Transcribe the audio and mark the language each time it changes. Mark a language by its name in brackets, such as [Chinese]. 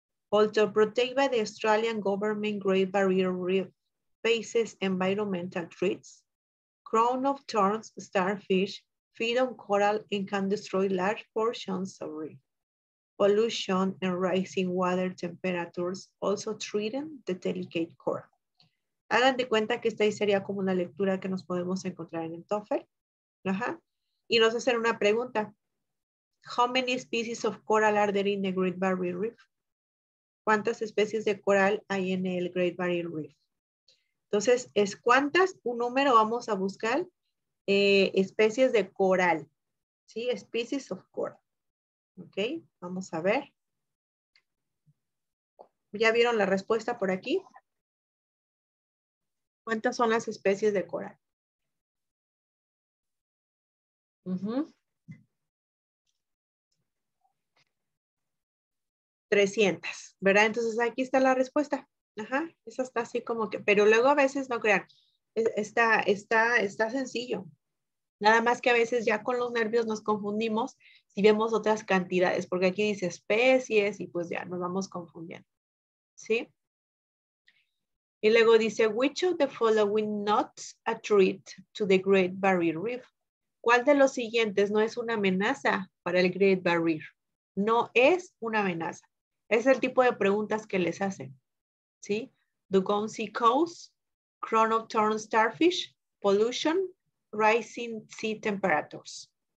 [English] Although protected by the Australian government, Great Barrier Reef faces environmental threats, crown of thorns, starfish, feed on coral and can destroy large portions of reef. Pollution and rising water temperatures also threaten the delicate coral. [Spanish] Hagan de cuenta que esta ahí sería como una lectura que nos podemos encontrar en el TOEFL. Ajá. Y nos hacen una pregunta. [English] How many species of coral are there in the Great Barrier Reef? [Spanish] ¿Cuántas especies de coral hay en el Great Barrier Reef? Entonces, es cuántas, un número vamos a buscar, especies de coral. ¿Sí? [English] Species of coral. [Spanish] Ok, vamos a ver. ¿Ya vieron la respuesta por aquí? ¿Cuántas son las especies de coral? Trescientas, ¿verdad? Entonces aquí está la respuesta. Ajá, esa está así como que, pero luego a veces no crean, está sencillo. Nada más que a veces ya con los nervios nos confundimos si vemos otras cantidades, porque aquí dice especies y pues ya nos vamos confundiendo. ¿Sí? Y luego dice, [English] which of the following knots a threat to the Great Barrier Reef? [Spanish] ¿Cuál de los siguientes no es una amenaza para el Great Barrier? No es una amenaza. Es el tipo de preguntas que les hacen. ¿Sí? [English] Dugong Sea Coast, Chronotorn Starfish, Pollution, Rising Sea Temperatures.